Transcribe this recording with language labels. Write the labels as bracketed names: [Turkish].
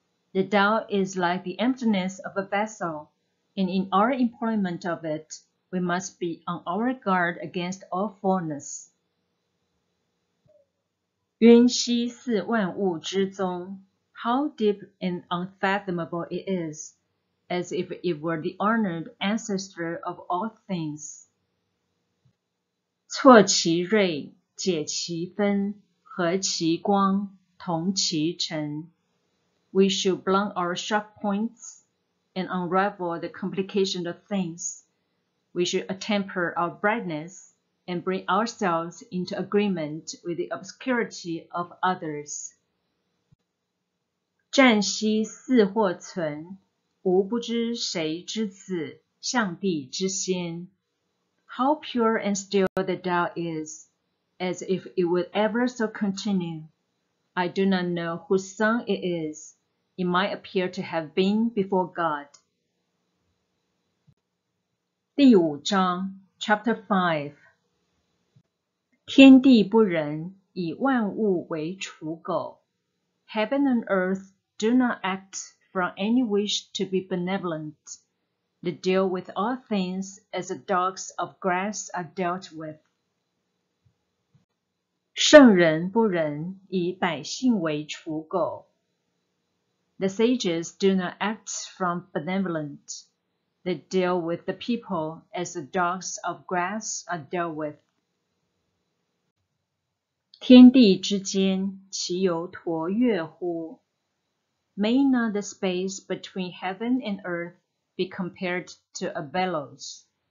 [English] The Dao is like the emptiness of a vessel, and in our employment of it, we must be on our guard against all fullness. [Chinese] 渊兮似万物之宗。 [English] How deep and unfathomable it is, as if it were the honored ancestor of all things. [Chinese] 挫其锐，解其分，和其光，同其尘。 [English] We should blunt our sharp points and unravel the complication of things. We should attemper our brightness and bring ourselves into agreement with the obscurity of others. [Chinese] 战兮似或存，吾不知谁之子，象帝之先。 [English] How pure and still the Dao is, as if it would ever so continue. I do not know whose son it is. It might appear to have been before God. [Chinese] 第五章 [English] Chapter 5 [Chinese] 天地不仁，以万物为刍狗。 [English] Heaven and earth do not act from any wish to be benevolent. They deal with all things as the dogs of grass are dealt with. [Chinese] 圣人不仁，以百姓为刍狗。 [English] The sages do not act from benevolent. They deal with the people as the dogs of grass are dealt with. [Chinese] 天地之间，其有橐越乎？ [English] May not the space between heaven and earth be compared to a bellows.